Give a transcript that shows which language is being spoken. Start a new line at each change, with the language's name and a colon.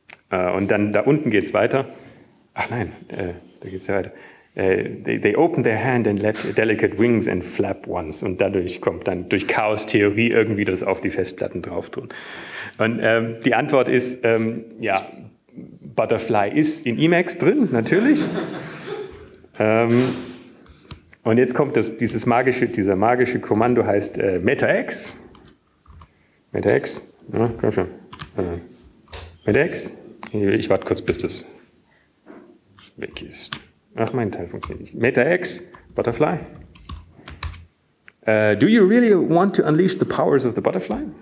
German: Und dann da unten geht's weiter. Ach nein, da geht's weiter.
English: They open their hand and let delicate wings and flap once.
German: Und dadurch kommt dann durch Chaos-Theorie irgendwie das auf die Festplatten drauf tun. Und die Antwort ist, butterfly ist in Emacs drin, natürlich. Und jetzt kommt dieser magische Kommando heißt meta-ex. MetaX, ja, komm schon. MetaX, ich warte kurz, bis das weg ist. Ach, mein Teil funktioniert nicht. MetaX, Butterfly.
English: Do you really want to unleash the powers of the butterfly?